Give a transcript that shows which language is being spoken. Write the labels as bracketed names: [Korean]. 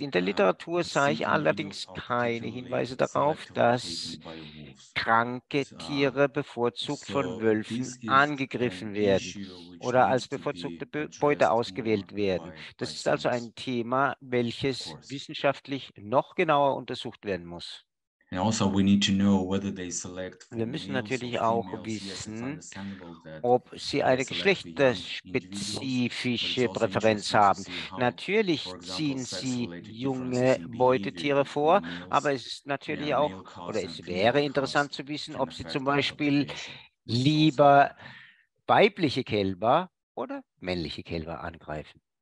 [German] In der Literatur sah ich allerdings keine Hinweise darauf, dass kranke Tiere bevorzugt von Wölfen angegriffen werden oder als bevorzugte Beute ausgewählt werden. Das ist also ein Thema, welches wissenschaftlich noch genauer untersucht werden muss. [English] And also we need to know whether they select for [German] wir müssen natürlich auch wissen, ob sie eine geschlechterspezifische Präferenz haben. Natürlich ziehen sie junge Beutetiere vor, aber es ist natürlich auch, oder es wäre interessant zu wissen, ob sie zum Beispiel lieber weibliche Kälber oder männliche Kälber angreifen.